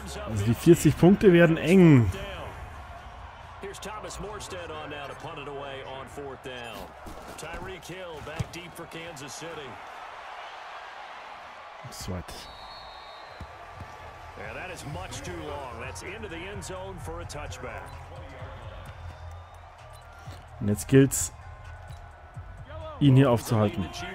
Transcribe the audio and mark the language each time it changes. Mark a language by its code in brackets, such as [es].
[de] Also die 40 Punkte werden eng. [en] Here's Thomas Morstead on now to punt it away on fourth down. Tyreek Hill back deep for Kansas City. Sweat. Yeah, that is much too long. That's into the end zone for a touchback. [de] Und jetzt gilt's, ihn hier aufzuhalten.